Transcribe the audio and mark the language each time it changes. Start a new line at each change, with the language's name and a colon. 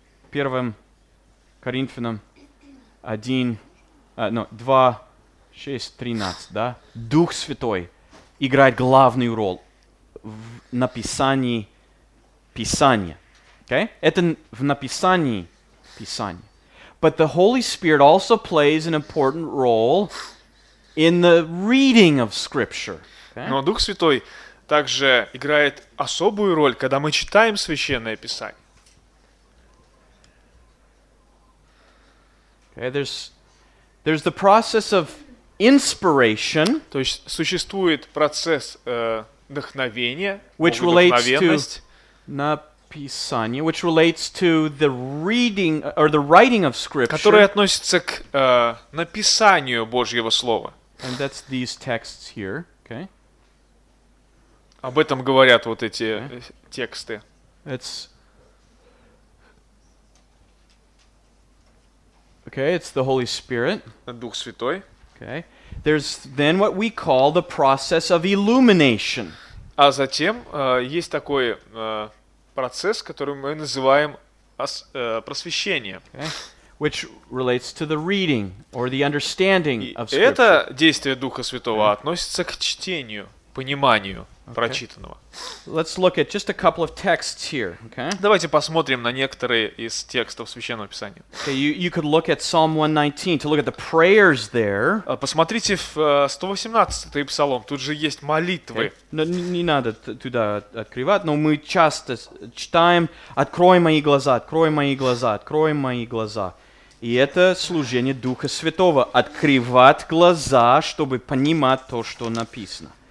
Russian: Первым Коринфянам 2:6-13, да? Дух Святой играет главную роль в написании Писания.
English: Okay?
Russian: Это в написании Писания.
English: But the Holy Spirit also plays an important role in the reading of Scripture. Okay?
Russian: Но Дух Святой также играет особую роль, когда мы читаем Священное Писание.
English: Okay, there's the process of inspiration,
Russian: то есть существует процесс вдохновения,
English: which relates to написание, which relates to the reading or the writing of scripture,
Russian: который относится к написанию Божьего слова.
English: And that's these texts here, okay?
Russian: Об этом говорят вот эти тексты.
English: It's okay, it's the Holy Spirit.
Russian: Дух Святой.
English: Okay. There's then what we call the process of illumination.
Russian: А затем есть такой процесс, который мы называем просвещение.
English: Okay. which relates to the reading or the understanding of Scripture.
Russian: Это действие Духа Святого относится к чтению, пониманию прочитанного.
English: Let's look at just a couple of texts here, okay?
Russian: Давайте посмотрим на некоторые из текстов Священного Писания.
English: Okay, you could look at Psalm 119 to look at the prayers there.
Russian: Посмотрите в 118-й псалом, тут же есть молитвы. Не надо туда открывать, но мы часто читаем: «Открой мои глаза, открой мои глаза, открой мои глаза». И это служение Духа Святого – открывать глаза, чтобы понимать то, что написано.